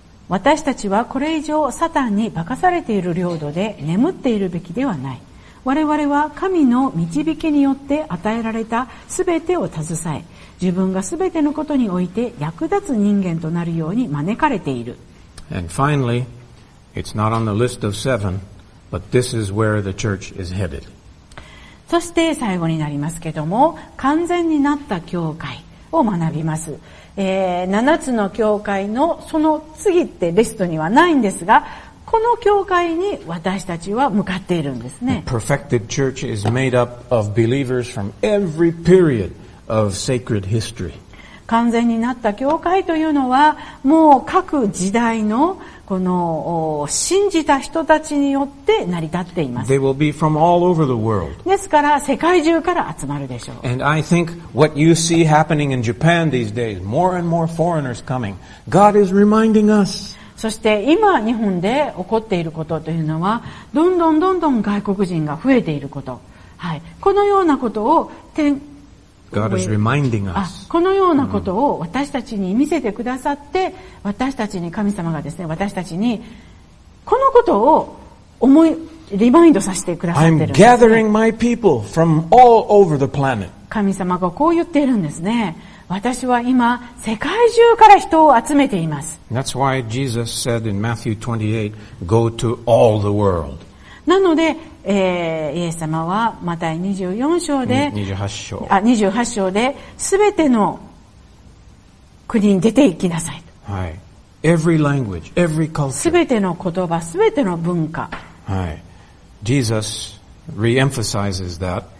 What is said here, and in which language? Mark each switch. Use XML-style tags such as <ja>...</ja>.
<ja>私たちはこれ以上サタンに化かされている領土で眠っているべきではない。我々は神の導きによって与えられた全てを携え、自分が全てのことにおいて役立つ人間となるように招かれている。</ja> <en>And finally, it's not on the list of seven, but this is where the church is headed.</en> <ja>そして最後になりますけども、完全になった教会を学びます。 7つの教会のその次ってリストにはないんですが、この教会に私たちは向かっているんですね。</ja> <en>Perfected church is made up of believers from every period of sacred history.</en> <ja>完全になった教会というのは、もう各時代のこの信じた人たちによって成り立っています。</ja> <en>They will be from all over the world.</en> <ja>ですから世界中から集まるでしょう。</ja> <en>And I think what you see happening in Japan these days, more and more foreigners coming, God is reminding us.</en> <ja>そして今日本で起こっていることというのは、どんどんどんどん外国人が増えていること。はい。このようなことを天、</ja> <en>God is reminding us.</en> <ja>このようなことを私たちに見せてくださって、私たちに神様がですね、私たちにこのことを思い、リマインドさせてくださってるんですね。</ja> <en>I'm gathering my people from all over the planet.</en> <ja>神様がこう言っているんですね。私は今世界中から人を集めています。</ja> <en>That's why Jesus said in Matthew 28, go to all the world.</en> <ja>なので、イエス様はマタイ28章で、すべての国に出て行きなさいと。</ja> <en>はい。Every language, every culture.</en> <ja>すべての言葉、すべての文化。</ja> <en>はい。Jesus re-emphasizes that.</en>